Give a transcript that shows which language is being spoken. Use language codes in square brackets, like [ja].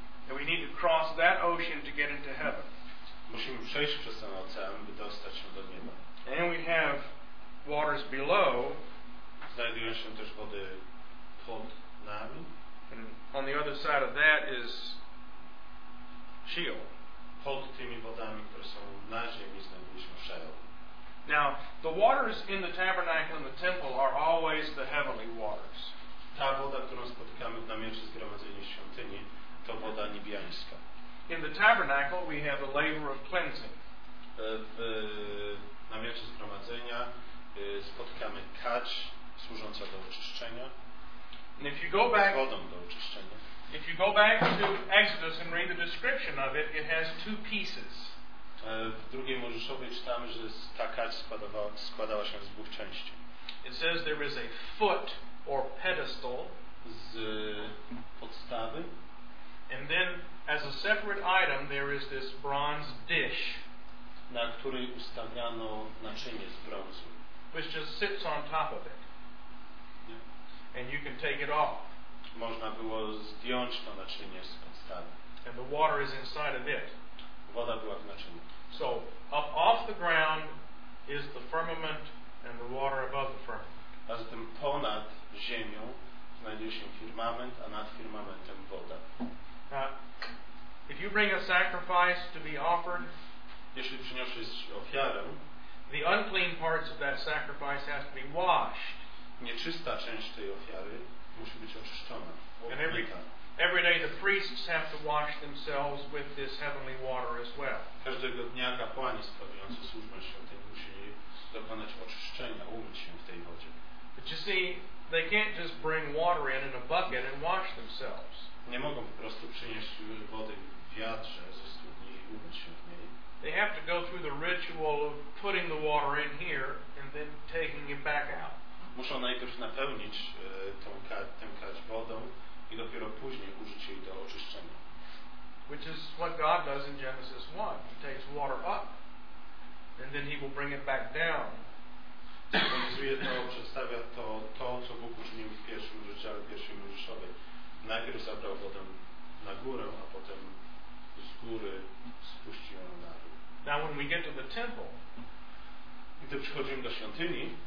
[en] And we need to cross that ocean to get into heaven. [pl] Musimy przejść przez ten ocean, by dostać się do nieba. [en] And we have waters below. [pl] Znajdują się też wody pod nami. [en] And on the other side of that is Sheol. [pl] Pod tymi wodami, które są na ziemi, znajduje się Sheol. [en] Now, the waters in the tabernacle and the temple are always the heavenly waters. [pl] Ta woda, którą spotykamy w namiocie zgromadzenia w świątyni, to woda niebiańska. [en] In the tabernacle we have the laver of cleansing. [pl] W namiocie zgromadzenia spotykamy kadź służąca do oczyszczenia. [en] And if you go back, [pl] z wodą do oczyszczenia. [en] If you go back to Exodus and read the description of it, it has two pieces. [pl] W drugiej Mojżeszowej czytamy, że ta kadź składała się z dwóch części. [en] It says there is a foot or pedestal [pl] z podstawy. [en] And then as a separate item there is this bronze dish. [pl] na której ustawiano naczynie z brązu. [en] Which just sits on top of it. Yeah. And you can take it off. [pl] Można było zdjąć to naczynie z podstawy. [en] And the water is inside of it. [pl] Woda była w naczyniu. [en] So up off the ground is the firmament and the water above the firmament. [pl] A zatem ponad ziemią znajduje się firmament, a nad firmamentem woda. [en] If you bring a sacrifice to be offered, [pl] jeśli przyniosisz ofiarę, [en] the unclean parts of that sacrifice have to be washed. [pl] Nieczysta część tej ofiary musi być oczyszczona. [en] And every day the priests have to wash themselves with this heavenly water as well. [pl] Każdego dnia kapłani sprawujący służbę świątyni musi dokonać oczyszczenia, umyć się w tej wodzie. [en] But you see, they can't just bring water in a bucket and wash themselves. [pl] Nie mogą po prostu przynieść wody w wiadrze ze studni i umyć się w niej. [en] They have to go through the ritual of putting the water in here and then taking it back out. [pl] Muszą najpierw napełnić tę kadź wodą i dopiero później użyć jej do oczyszczenia. [en] Which is what God does in Genesis 1. He takes water up and then he will bring it back down. [pl] Symbolizuje to, przedstawia to, to co Bóg uczynił w pierwszym rozdziale, pierwszej Mojżeszowej. Najpierw zabrał wodę na górę, a potem z góry spuścił ją na dół. [en] Now when we get to the temple, [pl] gdy przychodzimy do świątyni,